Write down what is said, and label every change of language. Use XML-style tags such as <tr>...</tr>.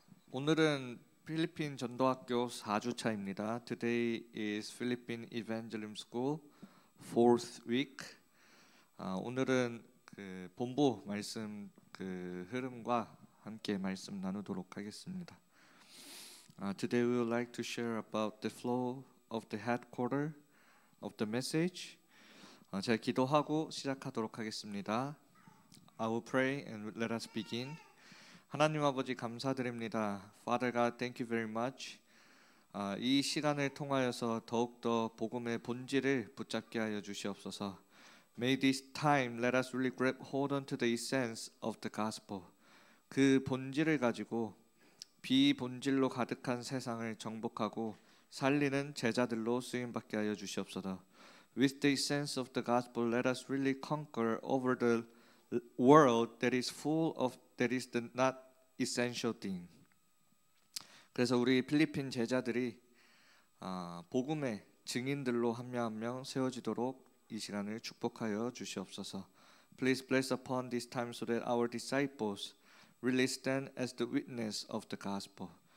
<ko>오늘은 필리핀 전도학교 4주 차입니다.</ko> <en>Today is Philippine Evangelism School, fourth week.</en> <ko>오늘은 그 본부 말씀 그 흐름과 함께 말씀 나누도록 하겠습니다.</ko> <en>Today we would like to share about the flow of the headquarter of the message.</en> <ko>제가 기도하고 시작하도록 하겠습니다.</ko> <en>I will pray and let us begin.</en> <ko>하나님 아버지 감사드립니다.</ko> <en>Father God, thank you very much.</en> <ko>이 시간을 통하여서 더욱더 복음의 본질을 붙잡게 하여 주시옵소서.</ko> <en>May this time let us really grab hold on to the essence of the gospel.</en> <ko>그 본질을 가지고 비본질로 가득한 세상을 정복하고 살리는 제자들로 쓰임 받게 하여 주시옵소서.</ko> <en>With the essence of the gospel, let us really conquer over the world that is full of that is the not essential thing.</en> <ko>그래서 우리 필리핀 제자들이 복음의 증인들로 한명한명 세워지도록 이 시간을 축복하여 주시옵소서.</ko> <en>Please bless upon this time so that our disciples really stand as the witness of the gospel.</en>